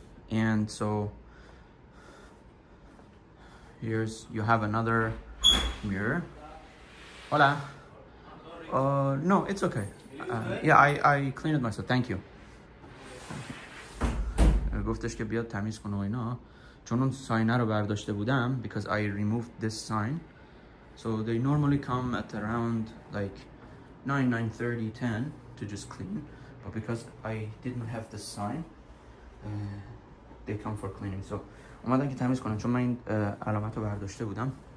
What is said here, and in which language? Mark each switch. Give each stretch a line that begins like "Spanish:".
English: And so here's you have another mirror. Hola. No, it's okay. I cleaned it myself. Thank you.
Persian: گفتش که بیاد تمیز کنه و اینا، چون اون ساینه رو برداشته بودم.
English: Because I removed this sign, so they normally come at around like 9, 9:30, 10 to just clean. But because I didn't have the sign, they come for cleaning.
Persian: So اومدن که تمیز کنن چون من این علامت رو برداشته بودم.